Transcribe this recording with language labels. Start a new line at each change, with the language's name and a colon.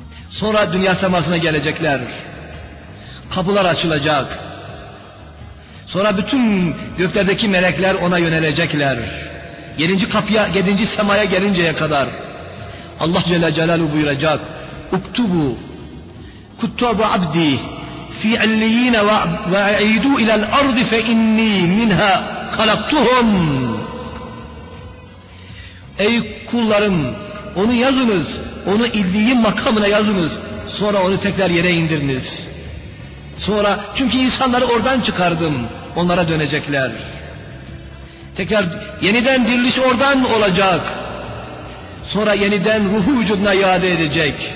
Turkish: Sonra dünya semasına gelecekler. Kapılar açılacak. Sonra bütün göklerdeki melekler ona yönelecekler. Yedinci kapıya, yedinci semaya gelinceye kadar Allah Celle Celaluhu buyuracak.
Arabic: Uktubu kuttubu abdi في عليين وأعيدوا إلى الأرض فإني منها خلقتهم.
Turkish: Ey kullarım, onu yazınız, onu illiyin makamına yazınız, sonra onu tekrar yere indiriniz. Sonra, çünkü insanları oradan çıkardım, onlara dönecekler. Tekrar yeniden diriliş oradan olacak. Sonra yeniden ruhu vücuduna iade edecek.